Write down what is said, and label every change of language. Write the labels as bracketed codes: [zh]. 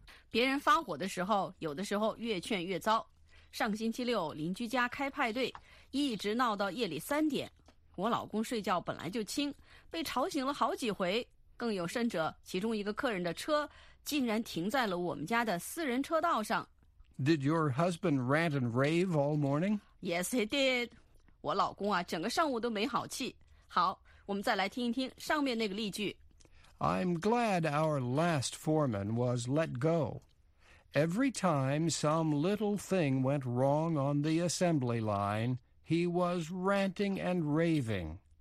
[zh] 别人发火的时候，有的时候越劝越糟。上星期六邻居家开派对，一直闹到夜里三点。我老公睡觉本来就轻，被吵醒了好几回。更有甚者，其中一个客人的车竟然停在了我们家的私人车道上。 [en] Did your husband rant and rave all morning? Yes, he did. [zh] 我老公啊，整个上午都没好气。好，我们再来听一听上面那个例句。 [en] I'm glad our last foreman was let go. Every time some little thing went wrong on the assembly line, he was ranting and raving.